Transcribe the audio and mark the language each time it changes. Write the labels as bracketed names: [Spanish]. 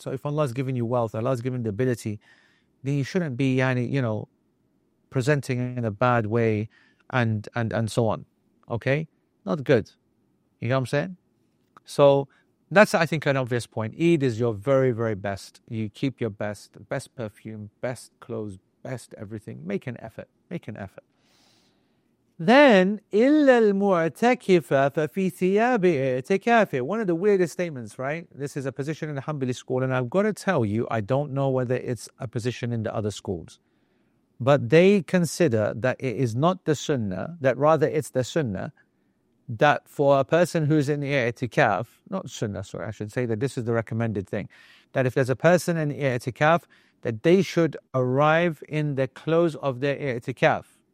[English] So if Allah's giving you wealth, Allah's giving the ability, then you shouldn't be, you know, presenting in a bad way and so on. Okay? Not good. You know what I'm saying? So that's, I think, an obvious point. Eid is your very, very best. You keep your best, best perfume, best clothes, best everything. Make an effort. Make an effort. Then, [Arabic] إِلَّا الْمُعْتَكِفَ فَفِي ثِيَابِ اِعْتِكَافِ. [English] One of the weirdest statements, right? This is a position in the Hanbali school, and I've got to tell you, I don't know whether it's a position in the other schools. But they consider that it is not the sunnah, that rather it's the sunnah, that for a person who's in i'tikaf, not sunnah, sorry, I should say that this is the recommended thing, that if there's a person in i'tikaf, that they should arrive in the close of their i'tikaf.